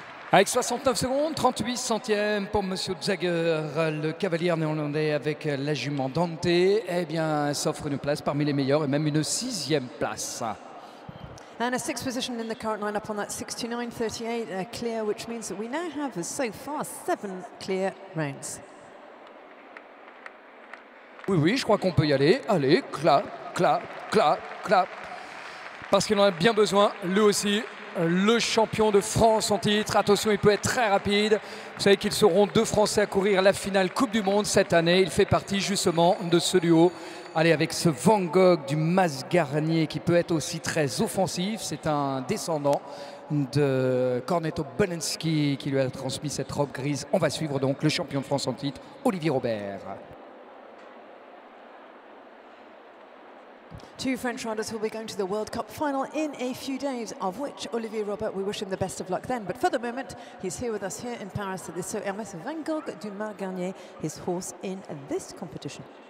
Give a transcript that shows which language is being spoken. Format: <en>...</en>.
<fr>Avec 69 secondes, 38 centièmes pour Monsieur Zager, le cavalier néerlandais avec la jument Dante, eh bien, s'offre une place parmi les meilleurs et même une sixième place.</fr> <en>And a sixth position in the current lineup on that 69-38 clear, which means that we now have so far seven clear rounds.</en> <fr>Oui, oui, je crois qu'on peut y aller. Allez, clap, clap, clap, clap. Parce qu'il en a bien besoin, lui aussi, le champion de France en titre. Attention, il peut être très rapide. Vous savez qu'ils seront deux Français à courir la finale Coupe du Monde cette année. Il fait partie justement de ce duo. Allez, avec ce Van Gogh du Mas Garnier qui peut être aussi très offensif. C'est un descendant de Cornetto Belinsky qui lui a transmis cette robe grise. On va suivre donc le champion de France en titre, Olivier Robert.</fr> <en>Two French riders will be going to the World Cup final in a few days, of which Olivier Robert, we wish him the best of luck then. But for the moment, he's here with us here in Paris at the So Hermes Van Gogh du Mas Garnier, his horse in this competition.</en>